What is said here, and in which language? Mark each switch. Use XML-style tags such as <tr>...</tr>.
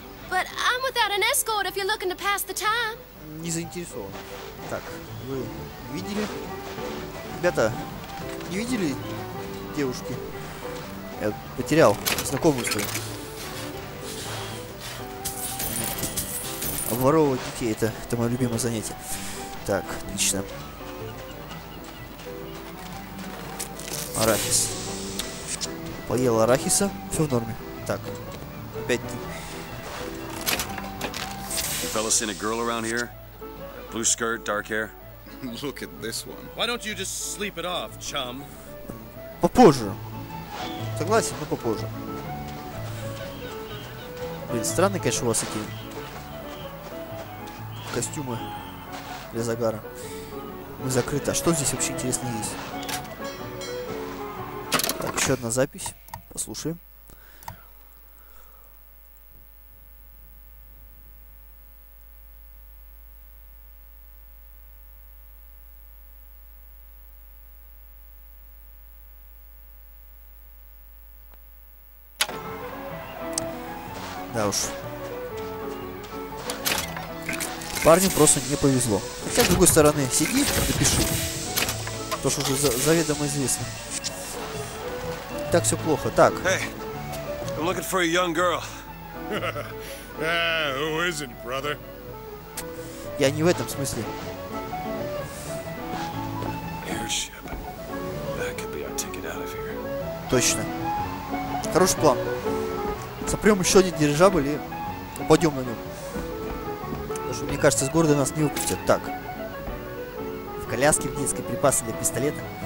<en>But I'm without an escort if you're looking to pass the time.</en> <ru>Не заинтересован. Так, вы видели? Ребята, не видели девушки? Я потерял знакомую свою. Обворовывать детей, это мое любимое занятие. Так, отлично. Арахис. Поел арахиса, все в норме. Так, опять ты.</ru> <en>You fellas seen a girl around here? Blue skirt, dark hair. Look at this one. Why don't you just sleep it off, chum?</en> <ru>Попозже. Согласен, но попозже. Блин, странный, конечно, у вас эти костюмы для загара. Мы закрыты. А что здесь вообще интересно есть? Так, еще одна запись. Послушаем. Да уж. Парню просто не повезло. Хотя, с другой стороны, сиди, допиши. То, что уже заведомо известно. Так все плохо. Так.</ru> <en>Hey, I'm looking for a young girl. Who is it, brother?</en> <ru>Я не в этом смысле.</ru> <en>Airship. That could be our ticket out of here.</en> <ru>Точно. Хороший план. Сопрем еще один дирижабль и упадем на нем. Потому что, мне кажется, с города нас не выпустят. Так. В коляске, в детской, припасы для пистолета.</ru>